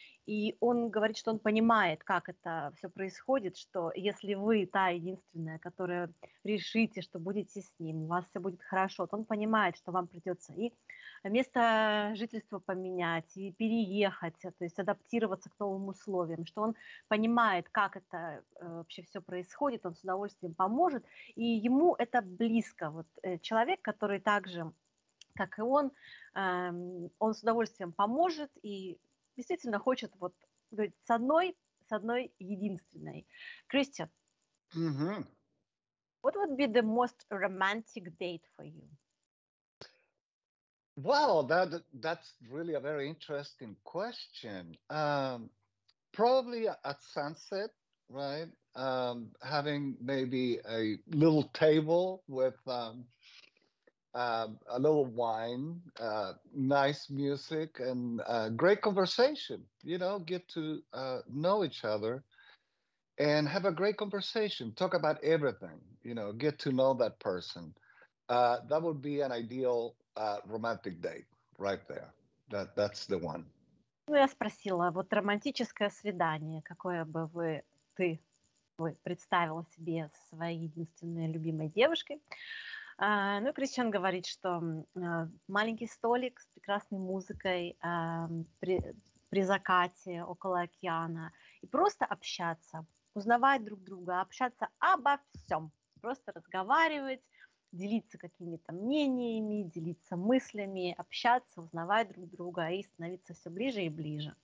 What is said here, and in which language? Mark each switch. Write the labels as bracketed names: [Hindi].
[Russian] И он говорит, что он понимает, как это все происходит, что если вы та единственная, которая решите, что будете с ним, у вас все будет хорошо, то он понимает, что вам придется и место жительства поменять, и переехать, то есть адаптироваться к новым условиям, что он понимает, как это вообще все происходит, он с удовольствием поможет, и ему это близко. Вот человек, который так же, как и он с удовольствием поможет и действительно хочет вот говорить, с одной единственной. [English] Кристиан, What would be the most romantic date for you? Well, that's really a very interesting question. Probably at sunset, right? Having maybe a little table with a little wine, nice music, and great conversation. You know, get to know each other and have a great conversation. Talk about everything, you know, get to know that person. That would be an ideal romantic date right there. That's the one. [Russian] Ну, я спросила, вот романтическое свидание, какое бы ты представила себе своей единственной любимой девушкой. Ну, Кристиан говорит, что маленький столик с прекрасной музыкой при закате около океана и просто общаться, узнавать друг друга, общаться обо всем, просто разговаривать, делиться какими-то мнениями, делиться мыслями, общаться, узнавать друг друга и становиться все ближе и ближе.